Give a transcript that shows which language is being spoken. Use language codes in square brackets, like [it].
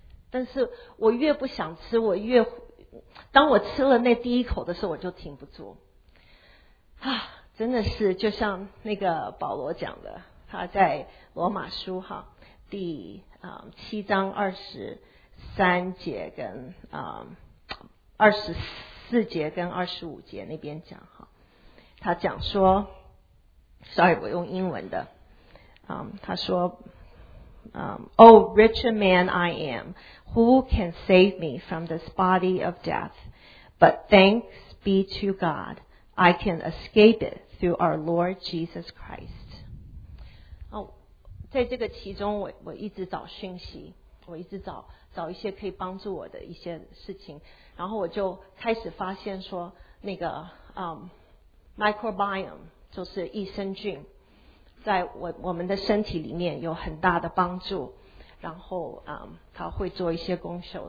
[zh] 但是我越不想吃我越当我吃了那第一口的时候我就停不住啊，真的是就像那个保罗讲的，他在罗马书哈第七章二十三节跟二十四节跟二十五节那边讲哈，他讲说 sorry 我用英文的他说 [en] Oh, wretched man I am, who can save me from this body of death? But thanks be to God, I can escape it through our Lord Jesus Christ. [zh] 在这个其中 我一直找讯息，我一直 找一些可以帮助我的一些事情，然后我就开始发现说那个microbiome 就是益生菌在 我们的身体里面有很大的帮助，然后它会做一些功效。